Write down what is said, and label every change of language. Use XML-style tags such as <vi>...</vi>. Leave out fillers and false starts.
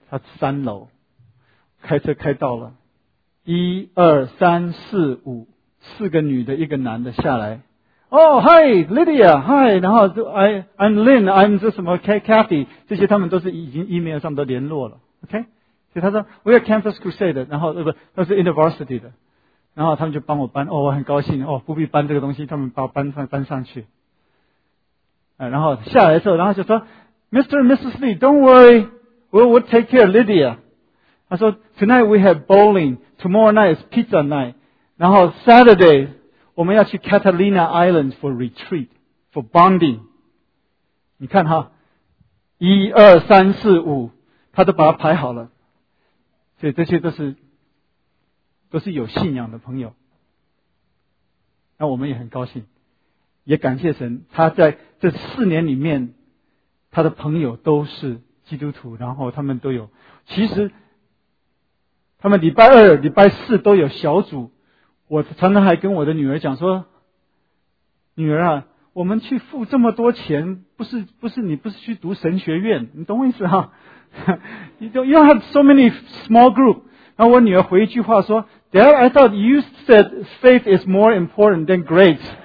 <zh>他三楼开车开到了1、2、3、4、5四个女的一个男的下来。</zh> <en>Oh, hi, Lydia, hi,</en> <zh>然后</zh> <en>I'm Lynn, I'm</en> <zh>这什么 Cathy, 这些他们都是已经 email 上都联络了。</zh> <en>OK?</en> <zh>所以他说 ,</zh> <en>We are campus crusade,</en> <zh>然后他是 university 的。然后他们就帮我搬，哦，我很高兴，哦，不必搬这个东西，他们把我搬上去。然后下来的时候，然后就说 ,Mr.</zh> <en>and Mrs. Lee, don't worry,We'll take care of Lydia.</en> <zh>他说</zh> <en>,Tonight we have bowling, tomorrow night is pizza night, 然后 Saturday,</en> <zh>我们要去</zh> <en>Catalina Island for retreat, for bonding.</en> <zh>你看哈 ,1、2、3、4、5他都把它排好了。所以这些都是有信仰的朋友。那我们也很高兴。也感谢神，他在这四年里面他的朋友都是基督徒，然后他们都有，其实他们礼拜二礼拜四都有小组。我常常还跟我的女儿讲说，女儿啊，我们去付这么多钱，不是你不是去读神学院，你懂我意思哈？</zh> <en>you don't have so many small group。</en> <zh>然后我女儿回一句话说</zh> <en>Dad, I thought you said faith is more important than grace。</en>